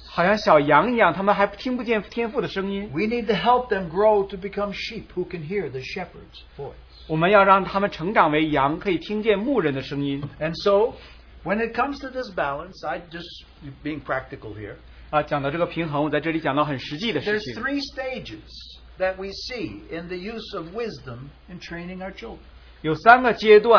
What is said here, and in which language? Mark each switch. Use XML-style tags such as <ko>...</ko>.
<en>We need to help them grow to become sheep who can hear the shepherd's voice. And so, when it comes to this balance, I'm just being practical here.</en> <zh>讲到这个平衡，我在这里讲到很实际的事情。</zh> <en>There's three stages that we see in the use of wisdom in training our children.</en>